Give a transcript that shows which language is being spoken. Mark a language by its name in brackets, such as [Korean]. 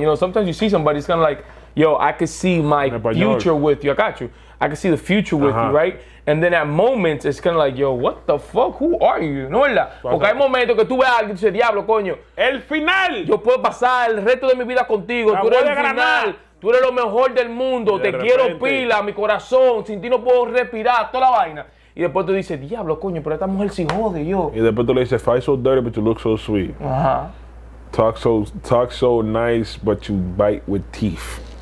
[English] You know, sometimes you see somebody, it's kind of like, yo, I could see my future with you. I got you. I could see the future with you, right? And then at moments, it's kind of like, yo, what the fuck? Who are you? [Spanish] No, ¿verdad? Porque hay momentos que tú ves a alguien y dices, diablo, coño. El final. Yo puedo pasar el resto de mi vida contigo. Tú eres el final. Tú eres lo mejor del mundo. Te quiero pila, mi corazón. Sin ti no puedo respirar, toda la vaina. Y después tú dices, diablo, coño, pero esta mujer se jode, yo. Y después tú le dices, [English] fight so dirty, but you look so sweet. Ajá. Talk so nice, but you bite with teeth.